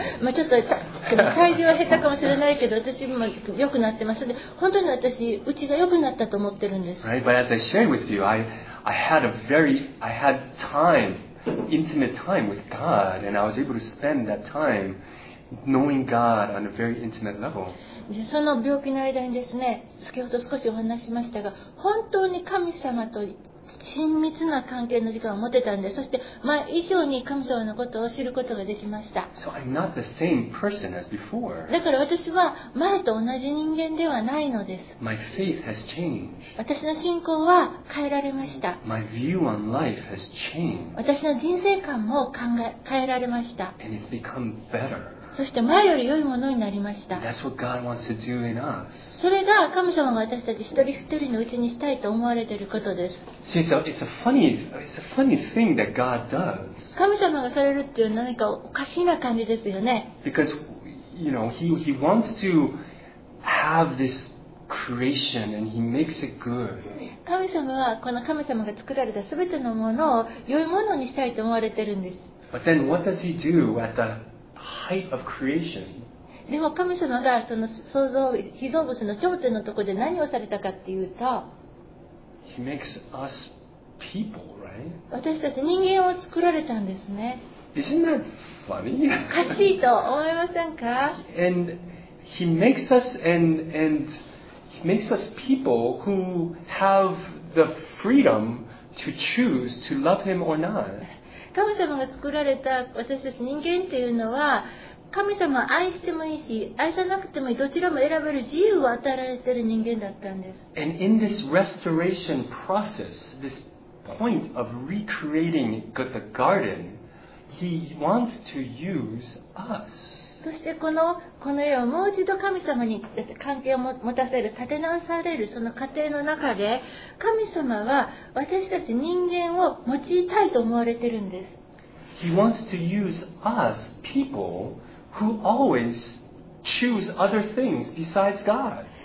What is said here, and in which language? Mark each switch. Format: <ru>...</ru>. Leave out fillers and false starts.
<ja>まあちょっと体重は減ったかもしれないけど、私も良くなってます。で、本当に私、うちが良くなったと思ってるんです。</ja> <en>Right, but as I shared with you, I had time, intimate time with God, and I was able to spend that time knowing God on a very intimate level.</en> <ja>でその病気の間にですね、先ほど少しお話しましたが、本当に神様と親密な関係の時間を持てたんで、そして前以上に神様のことを知ることができました。</ja> <en>So、I'm not the same person as before.</en> <ja>だから私は前と同じ人間ではないのです。</ja> <en>My faith has changed.</en> <ja>私の信仰は変えられました。</ja> <en>My view on life has changed.</en> <ja>私の人生観も変えられました。</ja> <en>And it's become better.</en> <ja>そして前より良いものになりました。</ja> <en>That's what God wants to do in us.</en> <ja>それが神様が私たち一人一人のうちにしたいと思われていることです。</ja> <en>See, it's a funny thing that God does.</en> <ja>神様がされるっていうのは何かおかしいな感じですよね。</ja> <en>Because, you know, he wants to have this creation and he makes it good.</en> <ja>神様はこの神様が作られた全てのものを良いものにしたいと思われているんです。</ja> <en>But then what does he do at theHeight of creation.</en> <ja>でも神様がその創造被造物の頂点のところで何をされたかっていうと、</ja> <en>He makes us people, right?</en> <ja>私たち人間を作られたんですね。</ja> <en>Isn't that funny?</en> <ja>おかしいと思いませんか？</ja> <en>And he makes us and he makes us people who have the freedom to choose to love him or not.</en> <ja>神様が作られた私たち人間というのは、神様を愛してもいいし、愛さなくてもいい、どちらも選べる自由を与えられている人間だったんです。</ja> <en>And in this restoration process, this point of recreating the garden, he wants to use us.</en> <ja>そしてこの世をもう一度神様に関係を持たせる、立て直されるその過程の中で、神様は私たち人間を用いたいと思われているんです。</ja> <en>He wants to use us people who always choose other things besides God.</en>